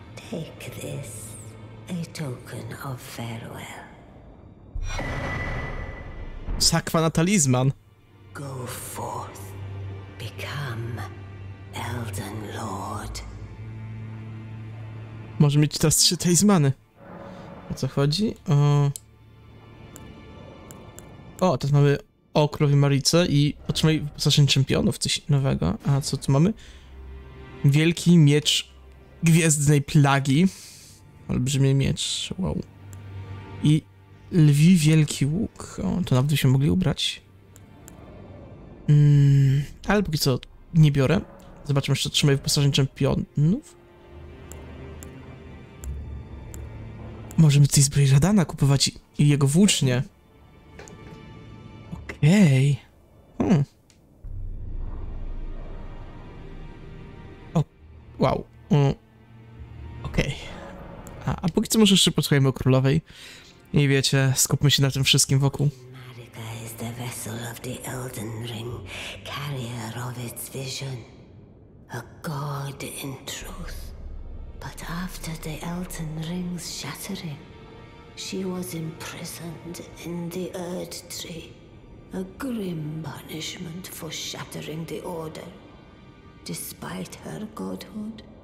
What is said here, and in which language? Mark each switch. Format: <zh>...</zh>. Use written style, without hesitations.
<en>Take this, a token of farewell.</en> <pl>Sakwa na talizman.</pl> <en>Go forth, become Elden Lord.</en> <pl>Może mieć teraz 3 talizmany. O co chodzi? O, teraz mamy o królowie Marice i otrzymaj wyposażenie czempionów, coś nowego. A co tu mamy? Wielki miecz gwiezdnej plagi. Olbrzymie miecz, wow. I lwi wielki łuk. O, to nawet byśmy mogli ubrać. Ale póki co nie biorę. Zobaczmy jeszcze, otrzymaj wyposażenie czempionów. Możemy tej zbroi Radana kupować i jego włócznie. Okej. O, wow. Okej. A póki co może jeszcze posłuchajmy o królowej. I wiecie, skupmy się na tym wszystkim wokół.</pl> <en>Marika is the vessel of the Elden Ring, carrier of its vision. A god in truth. But after the Elden Ring's shattering, she was imprisoned in the Erd Tree, a grim punishment for shattering the Order, despite her godhood.</en>